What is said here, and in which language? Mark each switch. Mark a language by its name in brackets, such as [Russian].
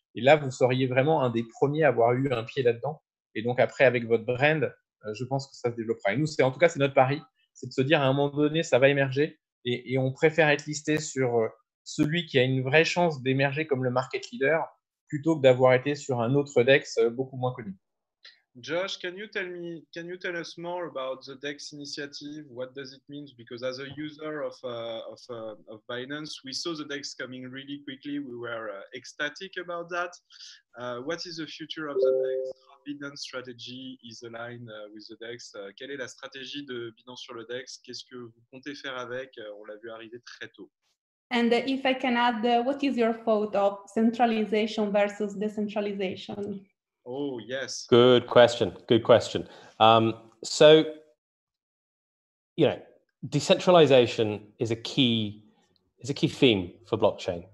[French] Et là, vous seriez vraiment un des premiers à avoir eu un pied là-dedans. Et donc après, avec votre brand, je pense que ça se développera. Et nous, c'est notre pari, c'est de se dire à un moment donné, ça va émerger. Et on préfère être listé sur celui qui a une vraie chance d'émerger comme le market leader plutôt que d'avoir été sur un autre DEX beaucoup moins connu. [English] Josh, can you tell us more about the DEX initiative? What does it mean? Because as a user of Binance, we saw the DEX coming really quickly. We were ecstatic about that. What is the future of the DEX? How Binance strategy is aligned with the DEX? [French] Quelle est la stratégie de Binance sur le DEX? Qu'est-ce que vous comptez faire avec? On l'a vu arriver très tôt. [English] And if I can add, what is your thought of centralization versus decentralization? Oh, yes. Good question. So, you know, decentralization is a key theme for blockchain.